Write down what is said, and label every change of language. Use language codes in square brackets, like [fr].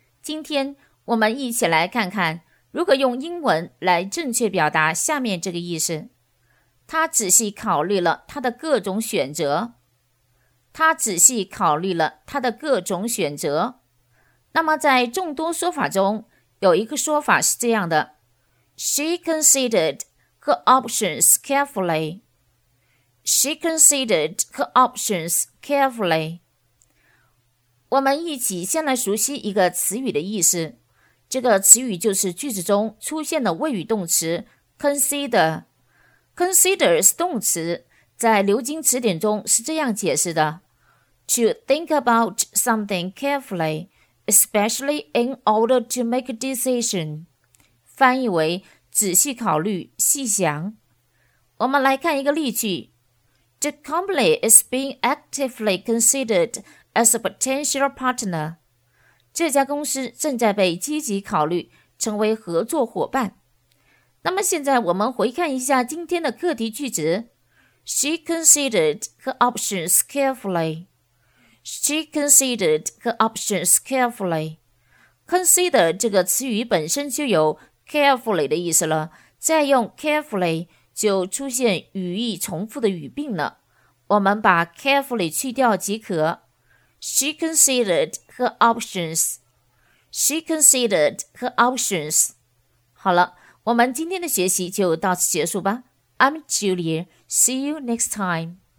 [zh] 今天我们一起来看看如何用英文来正确表达下面这个意思。他仔细考虑了他的各种选择。他仔细考虑了他的各种选择。那么在众多说法中，有一个说法是这样的。 [en] She considered her options carefully. She considered her options carefully. [zh] 我们一起先来熟悉一个词语的意思。这个词语就是句子中出现的谓语动词 consider。 [en] Consider [zh] 是动词，在牛津词典中是这样解释的 [en] ：To think about something carefully, especially in order to make a decision. [zh] 翻译为仔细考虑、细想。我们来看一个例句。 [en] The company is being actively considered as a potential partner. [zh] 这家公司正在被积极考虑成为合作伙伴。那么现在我们回看一下今天的课题句子。 [en] She considered her options carefully. She considered her options carefully. [zh] Consider 这个词语本身就有 carefully 的意思了，再用 carefully就出现语义重复的语病了，我们把 carefully 去掉即可。 [en] She considered her options. She considered her options. [zh] 好了，我们今天的学习就到此结束吧。 [en] I'm Julie. See you next time.